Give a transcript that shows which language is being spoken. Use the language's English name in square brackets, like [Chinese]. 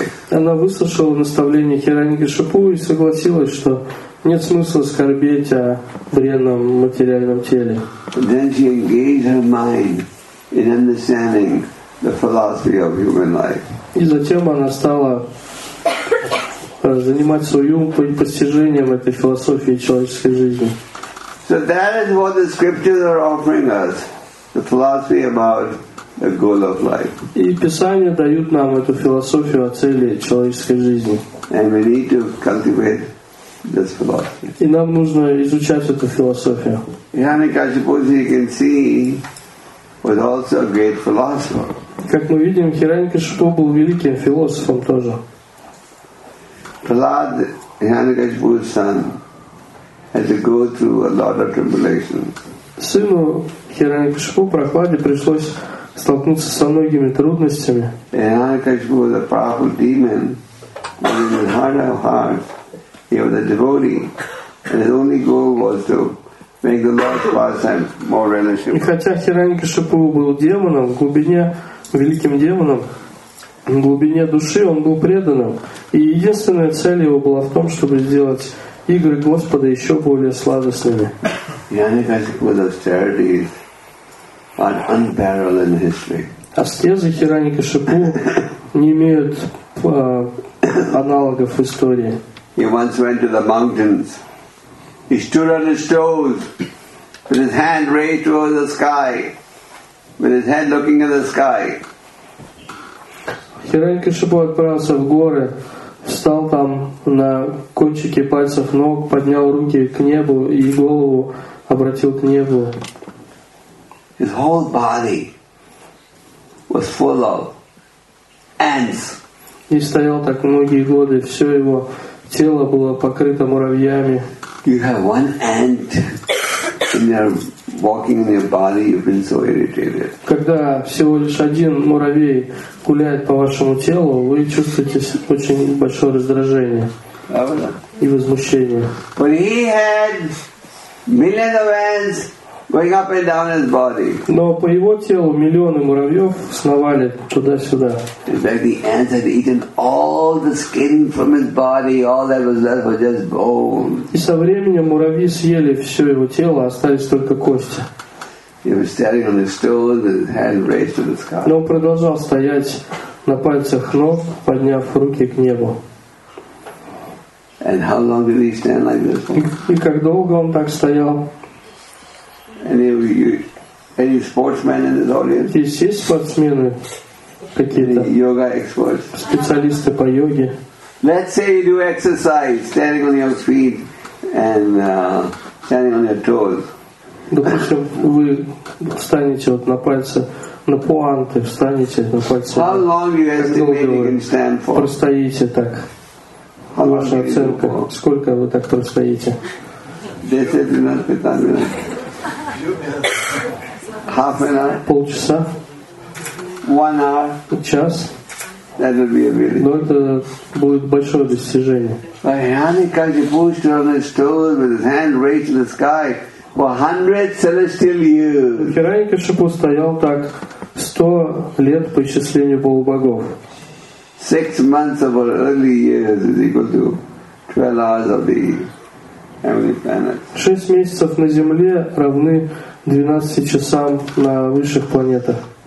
[Russian] Она выслушала наставление Хираньякашипу и согласилась, что нет смысла скорбеть о бренном материальном теле. [English] Then she engaged her mind in understanding the philosophy of human life. [Russian] И затем она стала занимать свой ум постижением этой философии человеческой жизни. [English] So that is what the scriptures are offering us, the philosophy about the goal of life. [Russian] И Писания дают нам эту философию о цели человеческой жизни. [English] And we need to cultivate this philosophy. [Russian] И нам нужно изучать эту философию. [English] Hiranyakashipu, as you can see, was also a great philosopher. [Russian] Как мы видим, Хираньякашипу был великим философом тоже. [English] Prahlad, Hiranyakashipu's son, had to go through a lot of tribulation. [Russian] Сыну Хираньякашипу, Прохладе, пришлось столкнуться со многими трудностями. [English] Hiranyakashipu was a powerful demon, but in his heart of hearts, he was a devotee, and his only goal was to make the Lord's pastime more relishable. [Russian] И хотя Хираньякашипу был демоном, в глубине, великим демоном, в глубине души он был преданным, и единственная цель его была в том, чтобы сделать игры Господа еще более сладостными. [English] Hiranyakashipu's austerities are unparalleled in history. [Russian] Аскезы Хираньякашипу не имеют аналогов в истории. [English] He once went to the mountains. He stood on his toes with his hand raised towards the sky, with his head looking at the sky. [Russian] Хирань Кашипу отправился в горы, встал там на кончике пальцев ног, поднял руки к небу и голову обратил к небу. [English] His whole body was full of ants. [Russian] И стоял так многие годы, все его тело было покрыто муравьями. [English] You have one ant in your walking in your body, you've been so irritated. [Russian] Когда всего лишь один муравей гуляет по вашему телу, вы чувствуете очень большое раздражение и возмущение. [English] But he had millions of ants going up and down his body. [Russian] Но по его телу миллионы муравьев сновали туда-сюда. [English] In fact, the ants had eaten all the skin from his body. All that was left was just bone. [Russian] И со временем муравьи съели все его тело, остались только кости. [English] He was standing on the stone with his hand raised to the sky. [Russian] Но он продолжал стоять на пальцах ног, подняв руки к небу. [English] And how long did he stand like this? [Russian] И как долго он так стоял? [English] Any sportsmen in this audience? [Russian] Здесь есть спортсмены какие-то? [English] Any yoga experts? [Russian] Специалисты по йоге. [English] Let's say you do exercise, standing on your feet and standing on your toes. [Russian] Допустим, вы встанете вот на пальцы, на пуанты, встанете на пальцы. [English] How long you estimate you can stand for? [Russian] Простоите так. Ваша оценка, сколько вы так простоите? 10-15 минут. [English] Half an hour. [Russian] Полчаса. [English] 1 hour. [Russian] Час. [English] That would be a really. [Russian] Но это будет большое достижение. [English] Hirani Kashipu stood on his toes with his hand raised to the sky for 100 celestial years. [Russian] Hirani Kashipu стоял так 100 лет по исчислению полубогов. [English] 6 months of our early years is equal to 12 hours of the heavenly planet. [Russian] 6 месяцев на Земле равны 12 часам на высших планетах.